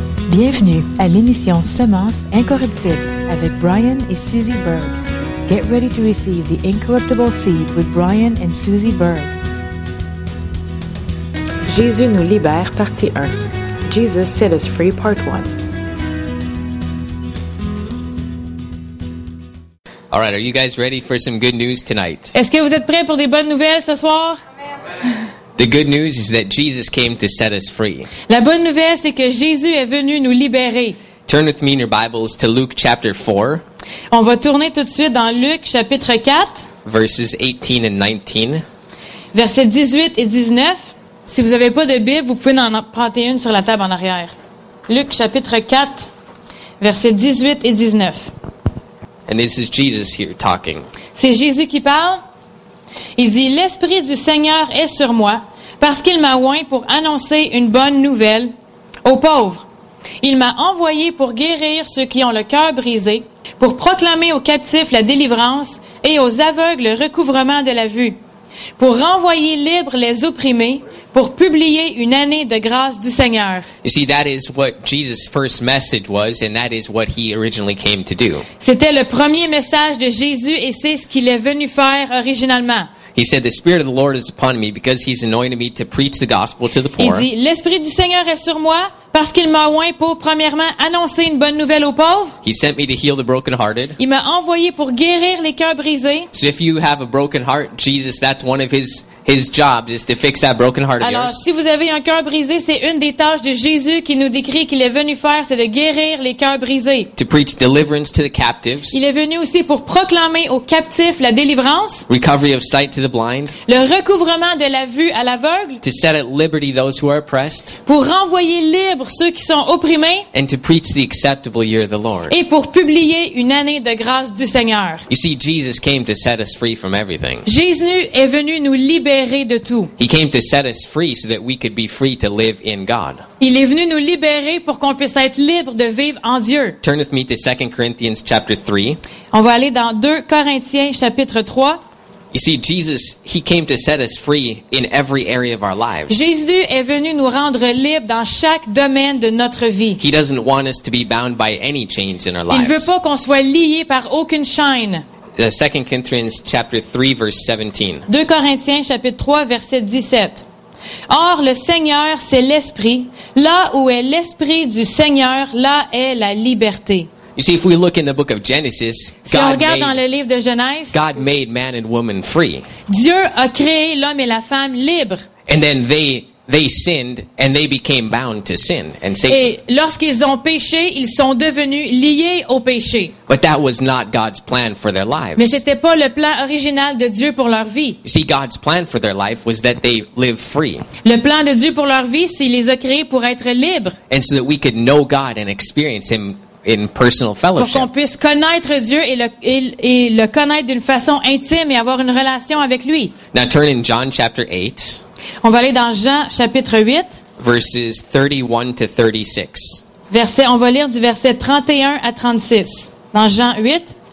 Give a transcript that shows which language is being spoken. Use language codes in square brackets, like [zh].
[fr] Bienvenue à l'émission Semence incorruptible avec Brian et Suzy Berg. [en] Get ready to receive the incorruptible seed with Brian and Suzy Berg. [fr] Jésus nous libère, partie 1. [en] Jesus set us free, part 1. All right, are you guys ready for some good news tonight? [fr] Est-ce que vous êtes prêts pour des bonnes nouvelles ce soir? [en] The good news is that Jesus came to set us free. [fr] La bonne nouvelle, c'est que Jésus est venu nous libérer. [en] Turn with me in your Bibles to Luke chapter 4. [fr] On va tourner tout de suite dans Luc chapitre 4. [en] Verses 18 and 19. [fr] Versets 18 et 19. Si vous n'avez pas de Bible, vous pouvez en prendre une sur la table en arrière. Luc chapitre 4, versets 18 et 19. [en] And this is Jesus here talking. [fr] C'est Jésus qui parle. Il dit, « L'Esprit du Seigneur est sur moi, parce qu'il m'a oint pour annoncer une bonne nouvelle aux pauvres. Il m'a envoyé pour guérir ceux qui ont le cœur brisé, pour proclamer aux captifs la délivrance et aux aveugles le recouvrement de la vue, pour renvoyer libres les opprimés, pour publier une année de grâce du Seigneur. » [en] You see, that is what Jesus' first message was, and that is what he originally came to do. [fr] C'était le premier message de Jésus, et c'est ce qu'il est venu faire originalement. [en] He said, the Spirit of the Lord is upon me because he's anointed me to preach the gospel to the poor. [fr] Il dit, l'Esprit du Seigneur est sur moi parce qu'il m'a oint pour, premièrement, annoncer une bonne nouvelle aux pauvres. [en] He sent me to heal the brokenhearted. [fr] Il m'a envoyé pour guérir les cœurs brisés. [en] So if you have a broken heart, Jesus, that's one of his jobs is to fix that broken heart of [fr] Alors, [en] yours. [fr] Alors, si vous avez un cœur brisé, c'est une des tâches de Jésus qui nous décrit qu'il est venu faire, c'est de guérir les cœurs brisés. [en] To preach deliverance to the captives. [fr] Il est venu aussi pour proclamer aux captifs la délivrance. [en] Recovery of sight to the blind. [fr] Le recouvrement de la vue à l'aveugle. [en] To set at liberty those who are oppressed. [fr] Pour renvoyer libres ceux qui sont opprimés. [en] And to preach the acceptable year of the Lord. [fr] Et pour publier une année de grâce du Seigneur. [en] You see, Jesus came to set us free from everything. [fr] Jésus est venu nous libérer. De tout. [en] He came to set us free so that we could be free to live in God. [fr] Il est venu nous libérer pour qu'on puisse être libre de vivre en Dieu. [en] Turn with me to 2 Corinthians chapter 3. [fr] On va aller dans 2 Corinthiens chapitre 3. [en] You see, Jesus, he came to set us free in every area of our lives. [fr] Jésus est venu nous rendre libres dans chaque domaine de notre vie. [en] He doesn't want us to be bound by any chains in our lives. [fr] Il veut pas qu'on soit lié par aucune chaîne. 2 Corinthians chapter 3 verse 17. 2 Corinthiens chapitre 3 verset 17. Or le Seigneur c'est l'esprit. Là où est l'esprit du Seigneur, là est la liberté. [en] You see, if we look in the book of Genesis, [fr] si God on regarde dans le livre de Genèse, [en] God made man and woman free. [fr] Dieu a créé l'homme et la femme libres. [en] And then they sinned and they became bound to sin and Satan. [fr] Et lorsqu'ils ont péché, ils sont devenus liés au péché. [en] But that was not God's plan for their lives. [fr] Mais c'était pas le plan original de Dieu pour leur vie. [en] You see, God's plan for their life was that they live free. [fr] Le plan de Dieu pour leur vie, c'est il les a créés pour être libres. [en] And so that we could know God and experience him in personal fellowship. [fr] Pour qu'on puisse connaître Dieu et le connaître d'une façon intime et avoir une relation avec lui. [en] Now turn in John chapter 8. [fr] On va aller dans Jean chapitre 8. [en] Verses 31 to 36. [fr] On va lire du verset 31 à 36. Dans Jean 8.